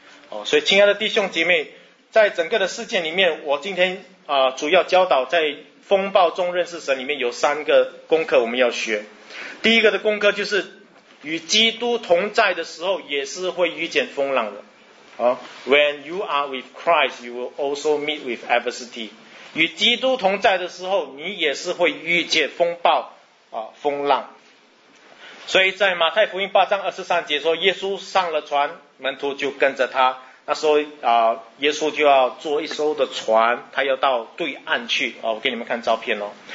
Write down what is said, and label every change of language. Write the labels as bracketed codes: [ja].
[zh] 哦，所以亲爱的弟兄姐妹，在整个的事件里面，我今天主要教导在风暴中认识神里面有三个功课我们要学。第一个的功课就是与基督同在的时候也是会遇见风浪的。 [en] When you are with Christ, you will also meet with adversity. [zh] 与基督同在的时候，你也是会遇见风暴、风浪。所以在马太福音8:23说，耶稣上了船，门徒就跟着他。那时候、耶稣就要坐一艘的船，他要到对岸去、我给你们看照片哦。